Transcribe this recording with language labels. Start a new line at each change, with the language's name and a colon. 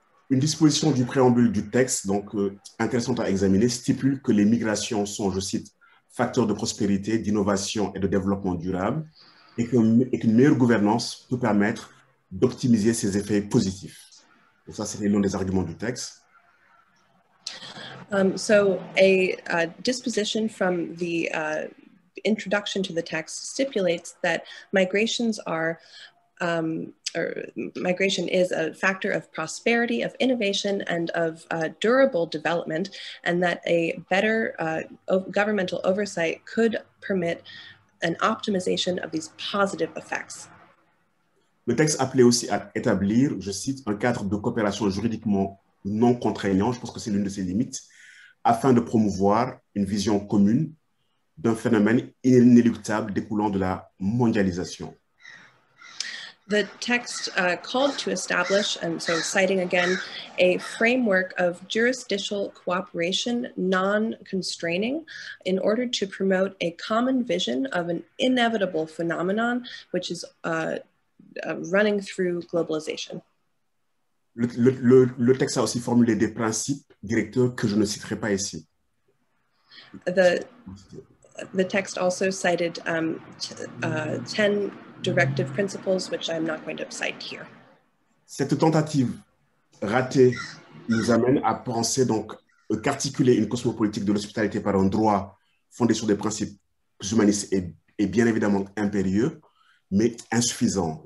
French: Une disposition du préambule du texte, donc intéressante à examiner, stipule que les migrations sont, je cite, facteurs de prospérité, d'innovation et de développement durable, et qu'une meilleure gouvernance peut permettre d'optimiser ses effets positifs. Donc ça, c'est l'un des arguments du texte.
English: So a disposition from the introduction to the text stipulates that migrations are migration is a factor of prosperity, of innovation, and of durable development, and that a better governmental oversight could permit an optimization of these positive effects.
French: Le texte appelait aussi à établir, je cite, un cadre de coopération juridiquement non contraignant, je pense que c'est l'une de ses limites, afin de promouvoir une vision commune d'un phénomène inéluctable découlant de la mondialisation.
English: The text called to establish, and so citing again, a framework of jurisdictional cooperation, non-constraining, in order to promote a common vision of an inevitable phenomenon, which is running through globalization.
French: Le texte a aussi formulé des principes directeurs que je ne citerai pas ici.
English: The text also cited 10 directive principles, which I'm not going to cite here.
French: Cette tentative ratée nous amène à penser donc qu'articuler une cosmopolitique de l'hospitalité par un droit fondé sur des principes humanistes est bien évidemment impérieux, mais insuffisant.